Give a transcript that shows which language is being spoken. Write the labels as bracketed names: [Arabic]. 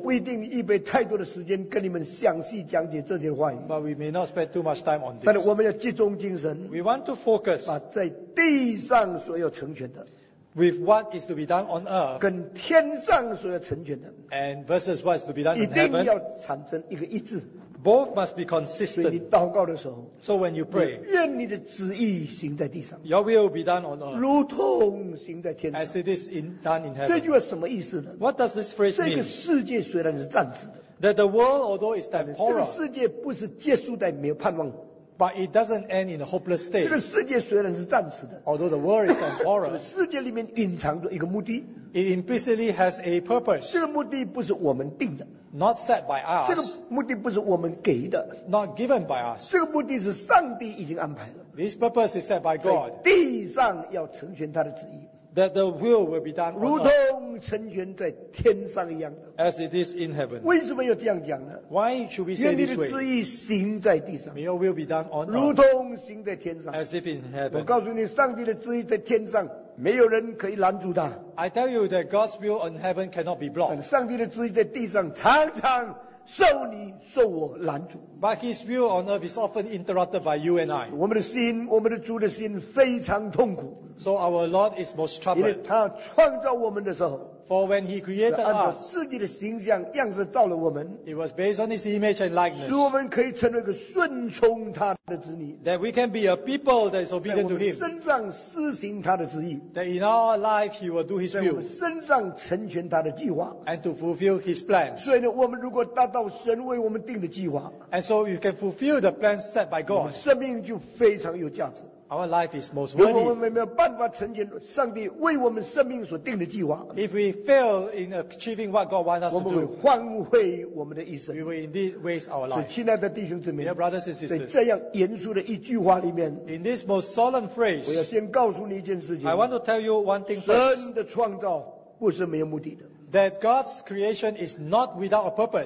[Chinese] 不一定预备太多的时间跟你们详细讲解这些话语, [English] but we may not spend too much time on this. [Chinese] 但是我们要集中精神, [English] we want to focus, [Chinese] 把在地上所有成全的, [English] with what is to be done on earth, [Chinese] 跟天上所有成全的, [English] and versus what is to be done in heaven, [Chinese] 一定要产生一个一致, [English] both must be consistent. [Chinese] 所以你祷告的时候, [English] so when you pray, [Chinese] 愿你的旨意行在地上, [English] your will be done on earth, [Chinese] 如同行在天上, [English] as it is in, done in heaven. [Chinese] 这句话什么意思呢? [English] What does this phrase mean? [Chinese] 这个世界虽然是暂时的, [English] that the world, although it's temporal, [Chinese] 这个世界不是结束在没有盼望, [English] but it doesn't end in a hopeless state. [Chinese] 这个世界虽然是暂时的, [English] although the world is temporal, [Chinese] 世界里面隐藏着一个目的, [English] it implicitly has a purpose. [Chinese] 这个目的不是我们定的, [English] not set by us. [Chinese] 这个目的不是我们给的, [English] not given by us. [Chinese] 这个目的是上帝已经安排了, [English] this purpose is set by God. [Chinese] 地上要成全他的旨意, [English] that the will be done on earth, [Chinese] 如同成全在天上一样, [English] as it is in heaven. [Chinese] 为什么要这样讲呢? [English] Why should we say this way? [Chinese] 愿你的旨意行在地上, [English] may your will be done on earth, [Chinese] 如同行在天上, [English] as if in heaven. [Chinese] 我告诉你, 上帝的旨意在天上, 没有人可以拦住他, [English] I tell you that God's will in heaven cannot be blocked. [Chinese] 上帝的旨意在地上, 常常受你受我拦阻, [English] but his will on earth is often interrupted by you and I. [Chinese] 我们的心, 我们的主的心, 非常痛苦, [English] so our Lord is most troubled. [Chinese] 因为他创造我们的时候, [English] for when he created us, [Chinese] 是按照自己的形象, 样式造了我们, [English] it was based on his image and likeness, [Chinese] 使我们可以成为一个顺从他的子女, [English] that we can be a people that is obedient to him, [Chinese] 在我们身上施行他的旨意, [English] that in our life he will do his will, [Chinese] 在我们身上成全他的计划, [English] and to fulfill his plan. [Chinese] 所以呢我们如果达到神为我们定的计划, [English] and so we can fulfill the plan set by God, [Chinese] 我们生命就非常有价值, [English] our life is most worthy. [Chinese] 如果我们没有办法成全上帝为我们生命所定的计划, [English] if we fail in achieving what God wants us to do, [Chinese] 我们会荒废我们的一生, [English] we will indeed waste our life. [Chinese] 所以亲爱的弟兄姊妹, [English] dear brothers and sisters, [Chinese] 在这样严肃的一句话里面, [English] in this most solemn phrase, [Chinese] 我要先告诉你一件事情, [English] I want to tell you one thing first. [Chinese] 神的创造不是没有目的的, [English] that God's creation is not without a purpose.